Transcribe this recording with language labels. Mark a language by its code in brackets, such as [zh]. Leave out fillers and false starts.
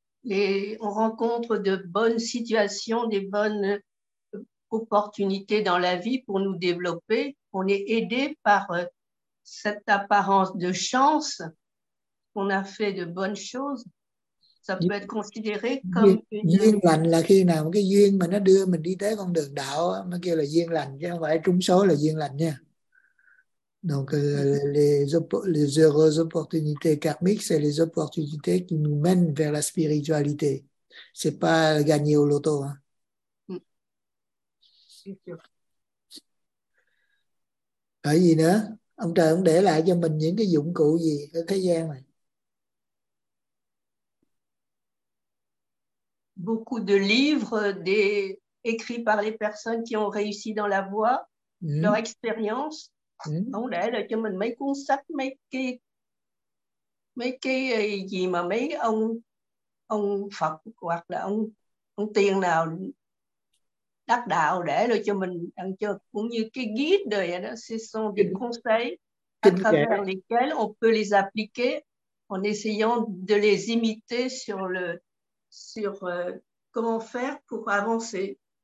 [fr] Et on rencontre de bonnes situations, des bonnes opportunités dans la vie pour nous développer. On est aidé par cette apparence de chance. On a fait de bonnes choses. Ça peut être considéré comme [vi] une duyên lành là khi nào cái duyên mà nó đưa mình đi tới con đường đạo nó kêu là duyên lành chứ không phải trúng số là duyên lành nha. [fr] Donc les heureuses opportunités karmiques, c'est les opportunités qui nous mènent vers la spiritualité. C'est pas gagner au loto. Hein. [vi] Cái gì nữa? Ông trời ông để lại cho mình những cái dụng cụ gì ở thế gian này? [fr] Beaucoup de livres écrits par les personnes qui ont réussi dans la voie, leur expérience. [vi] Ông để lại cho mình mấy cuốn sách, mấy cái gì mà mấy ông Phật hoặc là ông tiền nào đắc đạo để lại cho mình ăn cho cũng như cái guide đời đó, [fr] ce sont des conseils à travers lesquels on peut les appliquer en essayant de les imiter sur comment faire pour avancer.